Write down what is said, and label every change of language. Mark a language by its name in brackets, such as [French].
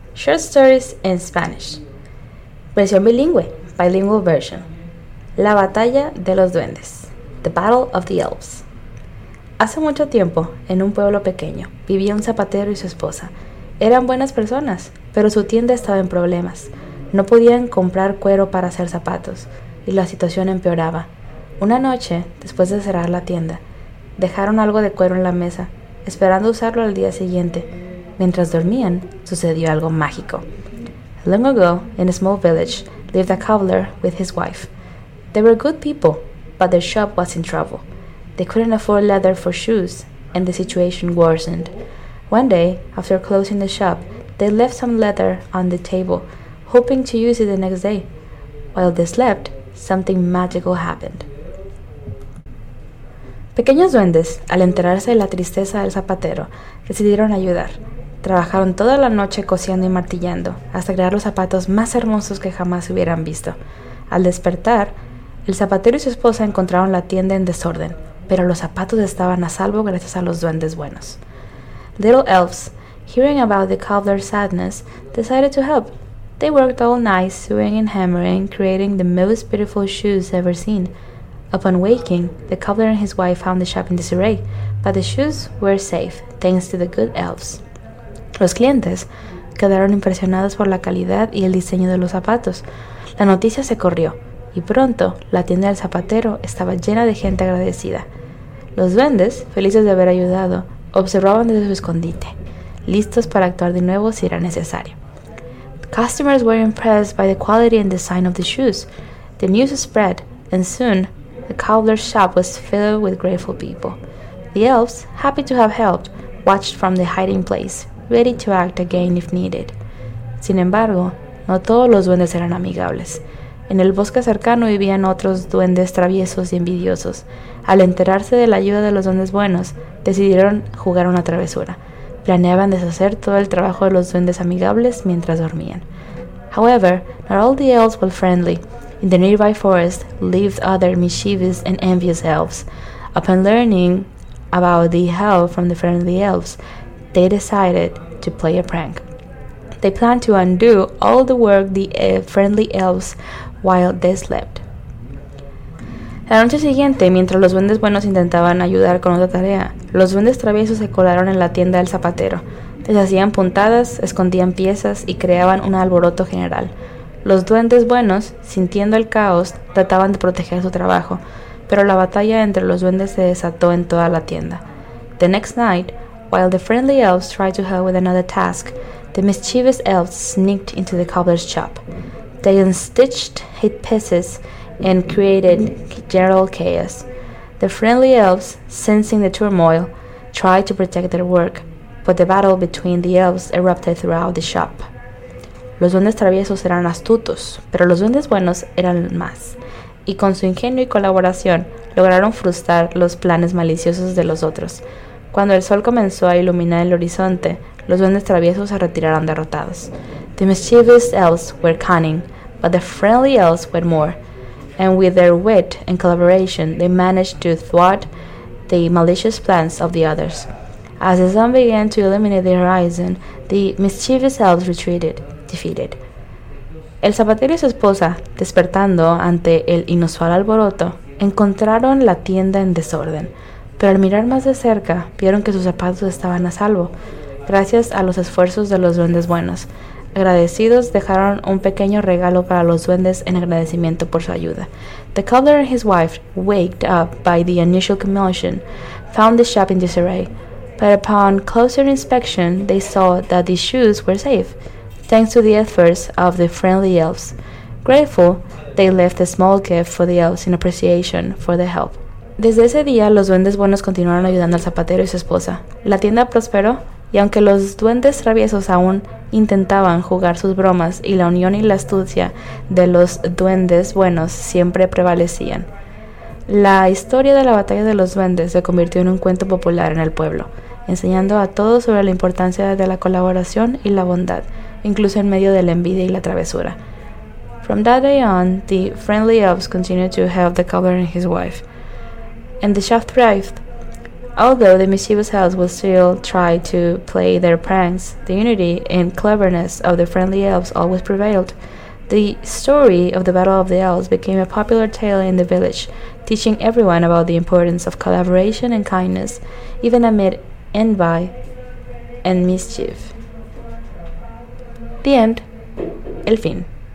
[English] Short stories in Spanish. [Spanish] Versión bilingüe. [English] Bilingual version. [Spanish] La batalla de los duendes. [English] The Battle of the Elves. [Spanish] Hace mucho tiempo, en un pueblo pequeño, vivía un zapatero y su esposa. Eran buenas personas, pero su tienda estaba en problemas. No podían comprar cuero para hacer zapatos, y la situación empeoraba. Una noche, después de cerrar la tienda, dejaron algo de cuero en la mesa, esperando usarlo al día siguiente. Mientras dormían, sucedió algo mágico. [English] Long ago, in a small village, lived a cobbler with his wife. They were good people, but their shop was in trouble. They couldn't afford leather for shoes, and the situation worsened. One day, after closing the shop, they left some leather on the table, hoping to use it the next day. While they slept, something magical happened. [Spanish] Pequeños duendes, al enterarse de la tristeza del zapatero, decidieron ayudar. Trabajaron toda la noche cosiendo y martillando, hasta crear los zapatos más hermosos que jamás hubieran visto. Al despertar, el zapatero y su esposa encontraron la tienda en desorden, pero los zapatos estaban a salvo gracias a los duendes buenos. [English] Little elves, hearing about the cobbler's sadness, decided to help. They worked all night, sewing and hammering, creating the most beautiful shoes ever seen. Upon waking, the cobbler and his wife found the shop in disarray, but the shoes were safe, thanks to the good elves. [Spanish] Los clientes quedaron impresionados por la calidad y el diseño de los zapatos. La noticia se corrió, y pronto la tienda del zapatero estaba llena de gente agradecida. Los duendes, felices de haber ayudado, observaban desde su escondite, listos para actuar de nuevo si era necesario. [English] Customers were impressed by the quality and design of the shoes. The news spread, and soon, the cobbler's shop was filled with grateful people. The elves, happy to have helped, watched from the hiding place, ready to act again if needed. [Spanish] Sin embargo, no todos los duendes eran amigables. En el bosque cercano vivían otros duendes traviesos y envidiosos. Al enterarse de la ayuda de los duendes buenos, decidieron jugar una travesura. Planeaban deshacer todo el trabajo de los duendes amigables mientras dormían. [English] However, not all the elves were friendly. In the nearby forest lived other mischievous and envious elves. Upon learning about the help from the friendly elves, they decided to play a prank. They planned to undo all the work the friendly elves while they slept. [Spanish] La noche siguiente, mientras los duendes buenos intentaban ayudar con otra tarea, los duendes traviesos se colaron en la tienda del zapatero. Les hacían puntadas, escondían piezas y creaban un alboroto general. Los duendes buenos, sintiendo el caos, trataban de proteger su trabajo, pero la batalla entre los duendes se desató en toda la tienda. [English] The next night, while the friendly elves tried to help with another task, the mischievous elves sneaked into the cobbler's shop. They unstitched his pieces and created general chaos. The friendly elves, sensing the turmoil, tried to protect their work, but the battle between the elves erupted throughout the shop. [Spanish] Los duendes traviesos eran astutos, pero los duendes buenos eran más, y con su ingenio y colaboración lograron frustrar los planes maliciosos de los otros. Cuando el sol comenzó a iluminar el horizonte, los duendes traviesos se retiraron derrotados. [English] The mischievous elves were cunning, but the friendly elves were more, and with their wit and collaboration, they managed to thwart the malicious plans of the others. As the sun began to illuminate the horizon, the mischievous elves retreated, defeated. [Spanish] El zapatero y su esposa, despertando ante el inusual alboroto, encontraron la tienda en desorden. Pero al mirar más de cerca, vieron que sus zapatos estaban a salvo, gracias a los esfuerzos de los duendes buenos. Agradecidos, dejaron un pequeño regalo para los duendes en agradecimiento por su ayuda. [English] The cobbler and his wife, waked up by the unusual commotion, found the shop in disarray. But upon closer inspection, they saw that the shoes were safe, thanks to the efforts of the friendly elves. Grateful, they left a small gift for the elves in appreciation for their help. [Spanish] Desde ese día, los duendes buenos continuaron ayudando al zapatero y su esposa. La tienda prosperó, y aunque los duendes traviesos aún intentaban jugar sus bromas y la unión y la astucia de los duendes buenos siempre prevalecían, la historia de la batalla de los duendes se convirtió en un cuento popular en el pueblo, enseñando a todos sobre la importancia de la colaboración y la bondad, incluso en medio de la envidia y la travesura. [English] From that day on, the friendly elves continued to help the cobbler and his wife, and the shop thrived. Although the mischievous elves will still try to play their pranks, the unity and cleverness of the friendly elves always prevailed. The story of the Battle of the Elves became a popular tale in the village, teaching everyone about the importance of collaboration and kindness, even amid envy and mischief. The end. [Spanish] El fin.